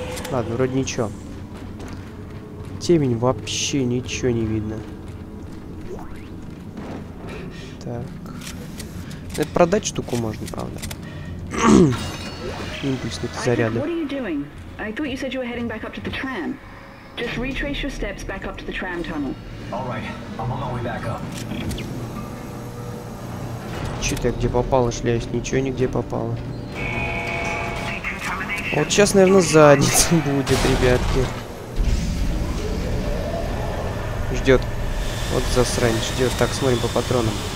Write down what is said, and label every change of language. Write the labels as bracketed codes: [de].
[ru] Ладно, вроде ничего. Темень, вообще ничего не видно. Так. Это продать штуку можно, правда. Импульсные заряды. [en] What are you doing? I thought you said you were heading back up to the tram. Just retrace your steps back up to the tram tunnel. Alright, I'm on my way back up. [ru] Че-то я где попало, шляюсь, ничего нигде попало. Вот сейчас, наверное, задница будет, ребятки. Ждет. Вот засрань, ждет. Так, смотрим по патронам.